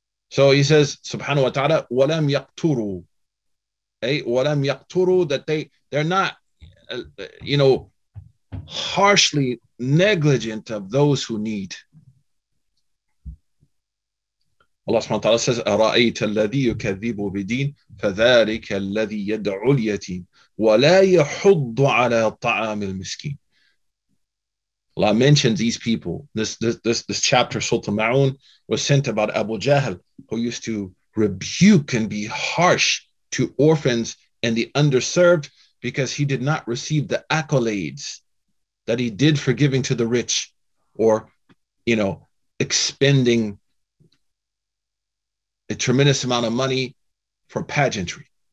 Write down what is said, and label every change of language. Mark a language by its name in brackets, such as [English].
[English] So he says, subhanahu wa ta'ala, walam yaqturu. Hey, walam yaqturu, that they're not, you know, harshly negligent of those who need. Allah subhanahu wa ta'ala says, [Arabic] أَرَأَيْتَ الَّذِي يُكَذِّبُ بِدِينِ فَذَلِكَ الَّذِي يَدْعُ الْيَتِيمِ وَلَا يَحُضُّ عَلَى الطَّعَامِ الْمِسْكِينِ. [English] Allah mentions these people. This chapter, Surah Al-Ma'un, was sent about Abu Jahl, who used to rebuke and be harsh to orphans and the underserved because he did not receive the accolades that he did for giving to the rich, or, you know, expending a tremendous amount of money for pageantry.